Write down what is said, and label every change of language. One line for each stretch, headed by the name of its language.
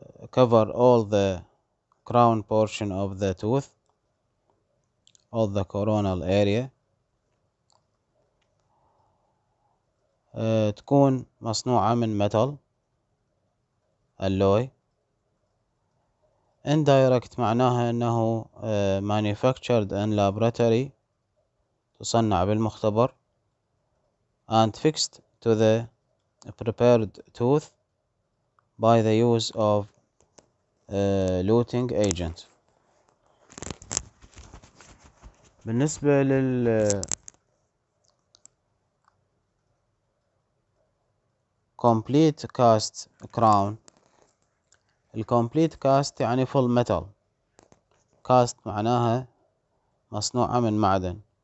English: Cover all the crown portion of the tooth, all the coronal area.
Arabic: تكون مصنوعة من metal alloy. Indirect معناها أنه
English: manufactured in laboratory،
Arabic: تصنع بالمختبر.
English: And fixed to the prepared tooth by the use of luting agent.
Arabic: بالنسبة لل complete cast crown، الcomplete cast يعني full metal، cast معناها مصنوعة من معدن.